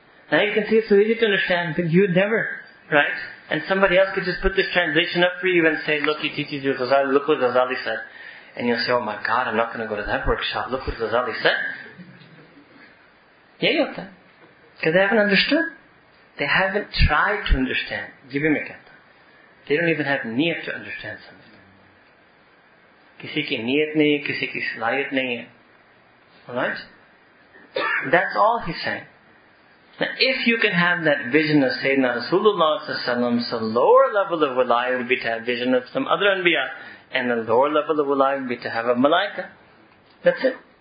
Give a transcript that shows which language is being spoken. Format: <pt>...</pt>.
<en>Now you can see it's so easy to understand, but you would never, right? And somebody else could just put this translation up for you and say, look, he teaches you Ghazali, look what Ghazali said. And you'll say, oh my God, I'm not going to go to that workshop, look what Ghazali said. Yeah, you have that. Because they haven't understood. They haven't tried to understand. Give me a kata. They don't even have niyat to understand something.</en> <ur>کسی کی نیت نہیں، کسی کی صلاحیت نہیں۔</ur> <en>Alright? That's all he's saying. Now, if you can have that vision of Sayyidina Rasulullah ﷺ, so lower level of wilayah would be to have vision of some other anbiya, and the lower level of wilayah would be to have a malaika. That's it.</en>